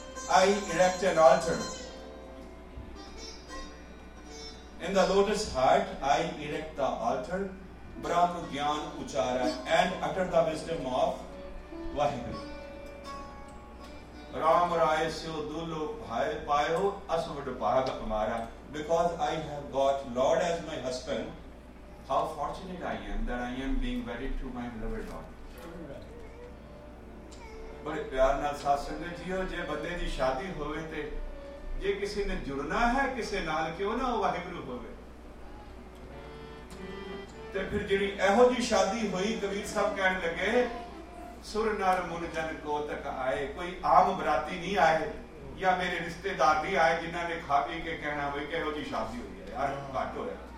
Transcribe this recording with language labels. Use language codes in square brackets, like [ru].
[en] I erect an altar in the lotus heart, I erect the altar, [pa] ਬ੍ਰਹਮ ਗਿਆਨ ਉਚਾਰਾ [en] And utter the wisdom of Waheguru. [pa] Ram Rai ਸਿਓ Dullo ਭਾਇ ਪਾਇਓ ਅਸਵਡ ਭਾਗ Amara, [en] Because I have got Lord as my husband. How fortunate I am that I am being wedded to my beloved Lord. [pa] ਬੜੇ ਪਿਆਰ ਨਾਲ ਸਾਧ ਸੰਗਤ JIO, ਜੇ ਬੰਦੇ ਦੀ ਸ਼ਾਦੀ ਹੋਵੇ ਤੇ ਜੇ ਕਿਸੇ ਨੇ ਜੁੜਨਾ ਹੈ ਕਿਸੇ ਨਾਲ, ਕਿਉਂ ਨਾ ਉਹ ਵਾਹਿਗੁਰੂ ਹੋਵੇ। ਤੇ ਫਿਰ ਜਿਹੜੀ ਇਹੋ ਜਿਹੀ ਸ਼ਾਦੀ ਹੋਈ, ਕਬੀਰ ਸਾਹਿਬ ਕਹਿਣ ਲੱਗੇ ਸੁਰ ਨਰ ਮੁਨ ਜਨ ਕੋ ਤੱਕ ਆਏ, ਕੋਈ ਆਮ ਬਰਾਤੀ ਨਹੀਂ ਆਏ ਜਾਂ ਮੇਰੇ ਰਿਸ਼ਤੇਦਾਰ ਵੀ ਆਏ ਜਿਨ੍ਹਾਂ ਨੇ ਖਾ ਪੀ ਕੇ ਕਹਿਣਾ ਹੋਵੇ ਕਿਹੋ ਜਿਹੀ ਸ਼ਾਦੀ ਹੋਈ ਹੈ ਯਾਰ, ਘੱਟ ਹੋਇਆ।